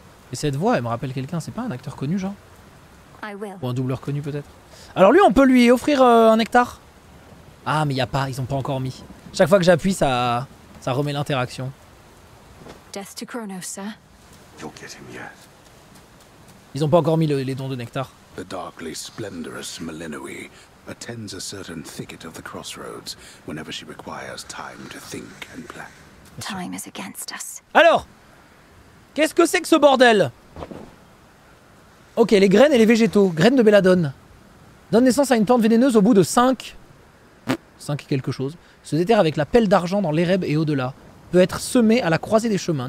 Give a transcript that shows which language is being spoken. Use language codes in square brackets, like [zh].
[fr] Et cette voix, elle me rappelle quelqu'un, c'est pas un acteur connu, genre. Ou un doubleur connu, peut-être. Alors lui, on peut lui offrir un nectar. Ah, mais y a pas, ils ont pas encore mis. Chaque fois que j'appuie, ça remet l'interaction. [en] Death to Kronos, sir. You'll get him yet. [fr] Ils ont pas encore mis les dons de nectar. [en] The darkly splendorous Melinoe attends a certain thicket of the crossroads whenever she requires time to think and plan. Time is against us. [fr] Alors, qu'est-ce que c'est que ce bordel? Ok, les graines et les végétaux. Graines de Belladone. Donne naissance à une plante vénéneuse au bout de 5... 5 quelque chose. Se déterre avec la pelle d'argent dans l'Ereb et au-delà. Peut être semé à la croisée des chemins.